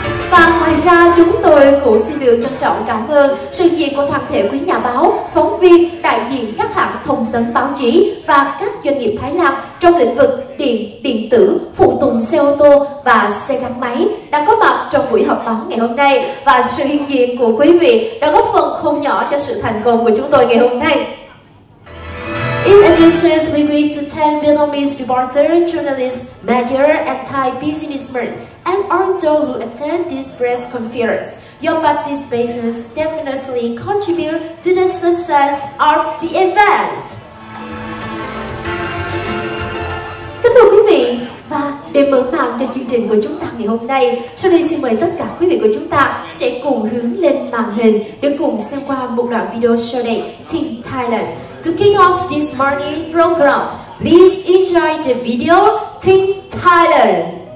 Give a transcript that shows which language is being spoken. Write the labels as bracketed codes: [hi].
[vi] Và ngoài ra, chúng tôi cũng xin được trân trọng cảm ơn sự diện của toàn thể quý nhà báo, phóng viên, đại diện các hãng thông tấn báo chí và các doanh nghiệp Thái Lan trong lĩnh vực điện, điện tử, phụ tùng xe ô tô và xe gắn máy đã có mặt trong buổi họp báo ngày hôm nay. Và sự hiện diện của quý vị đã góp phần không nhỏ cho sự thành công của chúng tôi ngày hôm nay. [en] In addition, we wish to thank Vietnamese reporter, journalist, manager, and Thai businessman, and all those who attend this press conference. Your participation definitely contribute to the success of the event. [vi] Kính thưa quý vị, và để mở màn cho chương trình của chúng ta ngày hôm nay, sau đây xin mời tất cả quý vị của chúng ta sẽ cùng hướng lên màn hình để cùng xem qua một đoạn video sau đây, Team Thailand. [en] To kick off this morning program, please enjoy the video, Team Thailand.